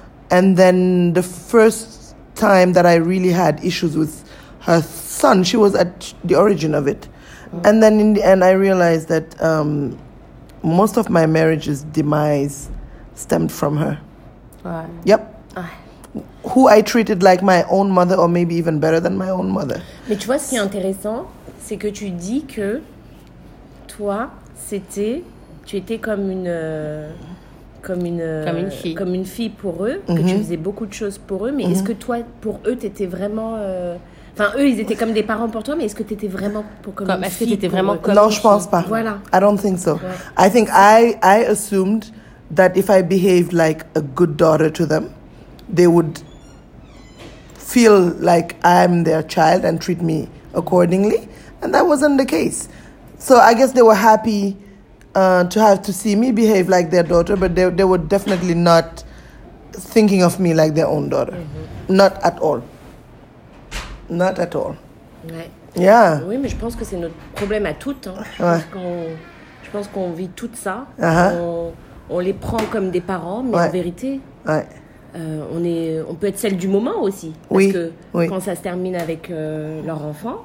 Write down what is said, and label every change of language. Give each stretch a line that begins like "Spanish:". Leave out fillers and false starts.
English: And then the first time that I really had issues with her son, she was at the origin of it. Mm-hmm. And then in the end, I realized that most of my marriage's demise stemmed from her. Right. Yep. Who I treated like my own mother, or maybe even better than my own mother.
French: Mais tu vois, ce qui est intéressant, c'est que tu dis que toi, tu étais comme une... Comme une fille pour eux, que tu faisais beaucoup de choses pour eux, mais est-ce que toi, pour eux, tu étais vraiment... eux, ils étaient comme des parents pour toi, mais est-ce que tu étais vraiment comme une fille? Voilà.
English: I don't think so.
French: Ouais.
English: I think I assumed that if I behaved like a good daughter to them, they would feel like I'm their child and treat me accordingly. And that wasn't the case. So I guess they were happy... To see me behave like their daughter, but they were definitely not thinking of me like their own daughter. Mm-hmm. Not at all.
French: Ouais.
English: Yeah.
French: Oui, mais je pense que c'est notre problème à toutes. Hein. Je pense qu'on vit tout ça. Uh-huh. On les prend comme des parents, mais en vérité, on peut être celle du moment aussi. Parce que quand ça se termine avec leur enfant...